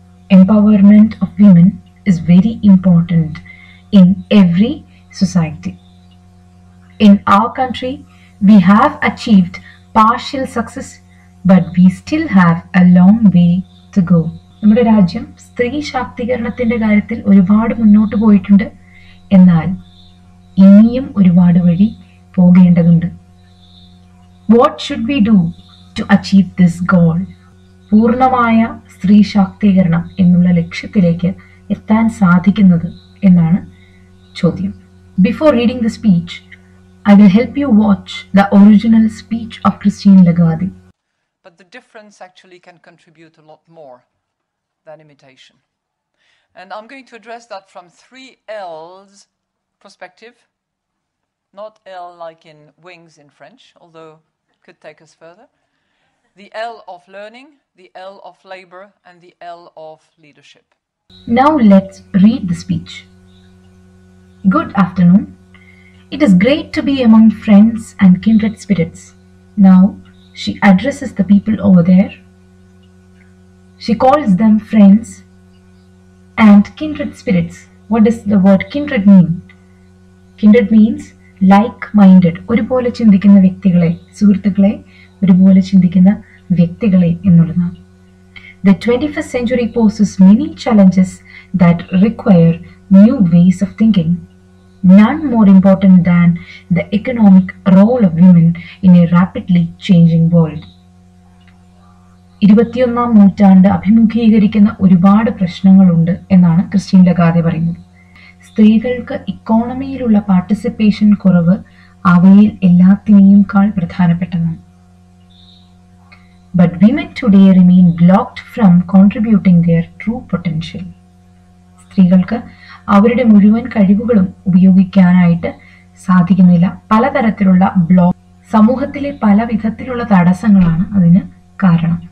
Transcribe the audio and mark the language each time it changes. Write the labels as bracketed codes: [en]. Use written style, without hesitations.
[en] Empowerment of women is very important in every society. In our country, we have achieved partial success, but we still have a long way to go. [ml] നമ്മുടെ രാജ്യം സ്ത്രീ ശാക്തീകരണത്തിന്റെ കാര്യത്തിൽ ഒരുപാട് മുന്നോട്ട് പോയിട്ടുണ്ട്. എന്നാൽ ഇനിയും ഒരുപാട് വഴി പോകേണ്ടതുണ്ട്. [en] What should we do to achieve this goal? [ml] പൂർണ്ണമായ സ്ത്രീ ശാക്തീകരണം എന്നുള്ള ലക്ഷ്യത്തിലേക്ക് എത്താൻ സാധിക്കുന്നത് എന്നാണ് ചോദ്യം. [en] Before reading the speech, I will help you watch the original speech of Christine Lagarde. But the difference actually can contribute a lot more than imitation. And I'm going to address that from three L's perspective. Not L like in wings in French, although it could take us further. The L of learning, the L of labor, and the L of leadership. Now let's read the speech. Good afternoon. It is great to be among friends and kindred spirits. Now she addresses the people over there. She calls them friends and kindred spirits. What does the word kindred mean? Kindred means like-minded, [ml] ഒരുപോലെ ചിന്തിക്കുന്ന വ്യക്തികളെ, സുഹൃത്തുക്കളെ ഒരുപോലെ ചിന്തിക്കുന്ന വ്യക്തികളെ എന്നുള്ളതാണ്. [en] The 21st century poses many challenges that require new ways of thinking. None more important than the economic role of women in a rapidly changing world. [ml] 21st നൂറ്റാണ്ട് അഭിമുഖീകരിക്കുന്ന ഒരുപാട് പ്രശ്നങ്ങളുണ്ട് എന്നാണ് ക്രിസ്റ്റീൻ ലഗാർഡ് പറയുന്നത്. സ്ത്രീകൾക്ക് ഇക്കോണമിയിലുള്ള പാർട്ടിസിപ്പേഷൻ കുറവ് അവയിൽ എല്ലാത്തിനെയും കാൾ പ്രധാനപ്പെട്ടതാണ്. [en] But women today remain blocked from contributing their true potential. [ml] സ്ത്രീകൾക്ക് അവരുടെ മുഴുവൻ കഴിവുകളും ഉപയോഗിക്കാനായിട്ട് സാധിക്കുന്നില്ല. പലതരത്തിലുള്ള ബ്ലോക്ക്, സമൂഹത്തിലെ പല വിധത്തിലുള്ള തടസ്സങ്ങളാണ് അതിന് കാരണം.